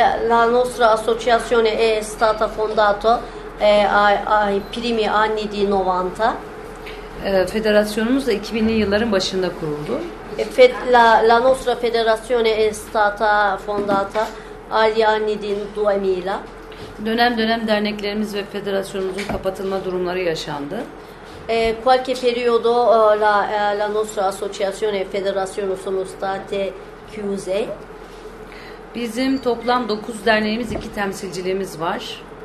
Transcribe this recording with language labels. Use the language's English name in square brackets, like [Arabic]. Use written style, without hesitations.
[Italian] La nostra associazione è stata fondata ai primi anni di 90. [Turkish] Federasyonumuz da 2000'li yılların başında kuruldu. [Italian] La nostra federazione è stata fondata agli anni di 2000. [Turkish] Dönem dönem derneklerimiz ve federasyonumuzun kapatılma durumları yaşandı. [Italian] Qualche periodo la nostra associazione e federazione sono state chiuse. [Turkish] Bizim toplam 9 derneğimiz, 2 temsilciliğimiz var.